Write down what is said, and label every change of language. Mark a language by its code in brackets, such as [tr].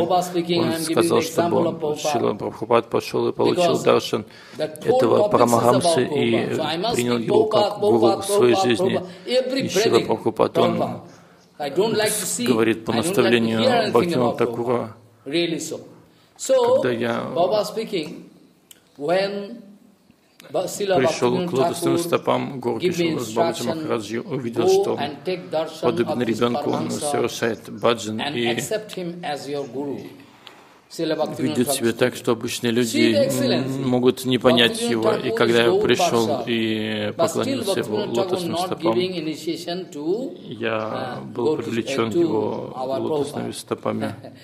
[ru] Он сказал, чтобы Шрила Прабхупада пошел и получил даршан этого Парамахамсы и принял его как гуру в своей жизни. И Шрила Прабхупада, он говорит по наставлению Бхактивинода Тхакура, [en] really so. So, Baba speaking, when Васила Бхактивинода Тхакур gave me instruction, go and take darshan of this Парамхамса and accept him as your guru. [ru] Ведет себя так, что обычные люди могут не понять его. И когда я пришел и поклонился его лотосным стопам, я был привлечен его лотосными стопами.